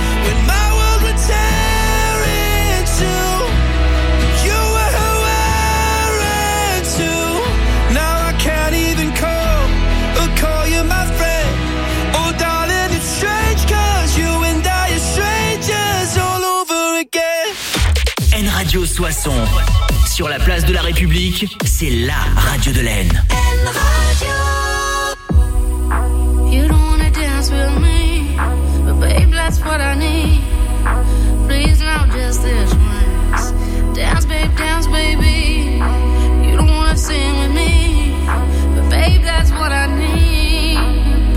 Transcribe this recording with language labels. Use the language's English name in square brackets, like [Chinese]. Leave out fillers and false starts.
[English] When my world would tear into, you were wearing too. Now I can't even cope or call you my friend. Oh darling, it's strange cause you and I are strangers all over again. [French] N Radio Soissons. Sur la place de la République, c'est la radio de l'Aisne. [English] You don't wanna dance with me, but babe, that's what I need. Please now just this once. Dance, baby. You don't wanna sing with me, but babe, that's what I need.